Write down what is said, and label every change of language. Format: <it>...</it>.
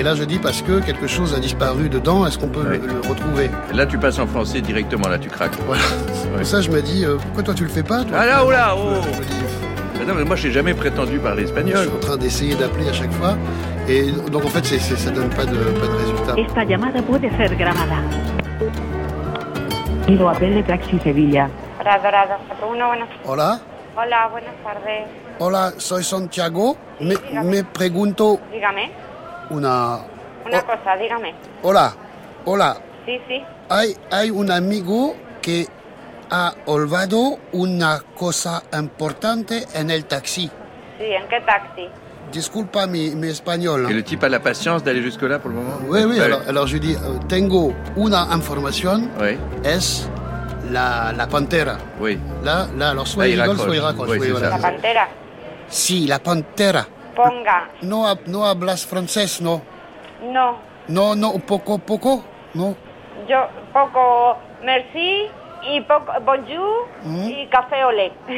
<fr>Et là, je dis, parce que quelque chose a disparu dedans, est-ce qu'on peut le retrouver? Et là, tu passes en français directement, là, tu craques. Voilà. Ouais. Ça, je me dis, pourquoi toi, tu le fais pas, toi? Ah là, oula, oh dis... Non, mais moi, je n'ai jamais prétendu parler espagnol. Je suis en train d'essayer d'appeler à chaque fois. Et donc, en fait, ça ne donne pas de résultat.</fr> <es>Esta llamada puede ser grabada. Lo appelle Taxi Sevilla. Bravo, hola. Hola, buenas tardes. Hola, soy Santiago. Me pregunto... Dígame. Una cosa, dígame. Hola. Sí. Hay un amigo que ha olvidado una cosa importante en el taxi. Sí, ¿en qué taxi? Disculpa mi español.</es> <fr>Et le type a la patience d'aller jusque-là pour le moment? Oui. Alors je dis,</fr> <es>tengo una información.</es> <fr>Oui.</fr> <es>Es la pantera.</es> <fr>Oui. Là, alors soit il rigole, soit il raccroche. Oui, voilà.</fr> <es>La pantera. Sí, la pantera. Ponga. No hablas francés, ¿no? No. No, no, poco, ¿no? Yo, poco, merci, y poco, bonjour, y</es> <fr>café au lait.</fr>